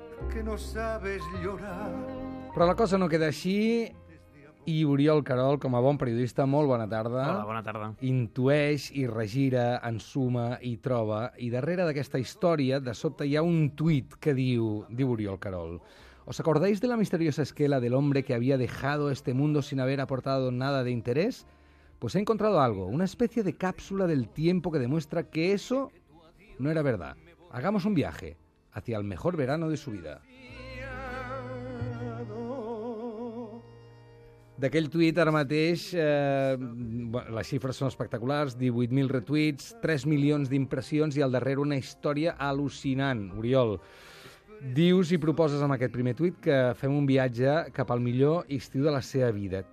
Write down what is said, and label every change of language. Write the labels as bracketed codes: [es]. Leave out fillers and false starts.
[es] Que no sabes llorar. [ca] Però la cosa no queda així i Oriol Querol, com a bon periodista, molt bona tarda. Hola, bona tarda. Intueix i regira, ensuma i troba. I darrere d'aquesta història, de sobte, hi ha un tuit que diu Oriol Querol. [es] ¿Os acordáis de la misteriosa esquela del hombre que había dejado este mundo sin haber aportado nada de interés? Pues he encontrado algo, una especie de cápsula del tiempo que demuestra que eso no era verdad. Hagamos un viaje hacia el mejor verano de su vida. [ca] D'aquell tuit ara mateix, les xifres són espectaculars, 18.000 retuits, 3 milions d'impressions i al darrere una història al·lucinant, Oriol. Dius i proposes amb aquest primer tuit que fem un viatge cap al millor estiu de la seva vida.